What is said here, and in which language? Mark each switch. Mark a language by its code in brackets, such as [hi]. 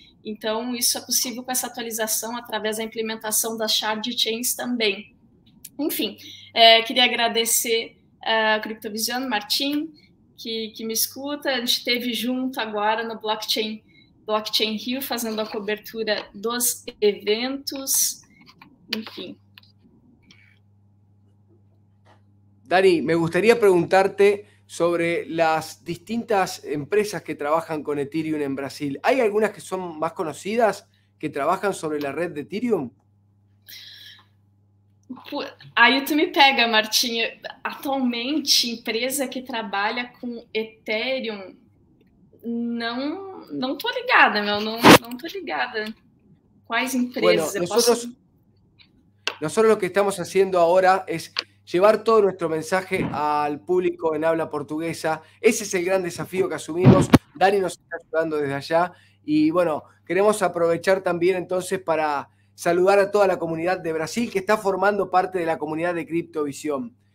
[pt] Então, isso é possível com essa atualização através da implementação das shard chains também. Enfim, queria agradecer a Criptovisão, Martim, que me escuta. A gente esteve junto agora no Blockchain Rio, fazendo a cobertura dos eventos. Enfim. [es] Dani, me gustaría preguntarte sobre las distintas empresas que trabajan con Ethereum en Brasil. ¿Hay algunas que son más conocidas que trabajan sobre la red de Ethereum? [pt] Aí tu me pega, Martinho. Atualmente, empresa que trabalha com Ethereum, não tô ligada, meu. Não tô ligada. Quais empresas? [es] Bueno, nosotros lo que estamos haciendo ahora es llevar todo nuestro mensaje al público en habla portuguesa. Ese es el gran desafío que asumimos. Dani nos está ayudando desde allá. Y bueno, queremos aprovechar también entonces para saludar a toda la comunidad de Brasil que está formando parte de la comunidad de Criptovisión.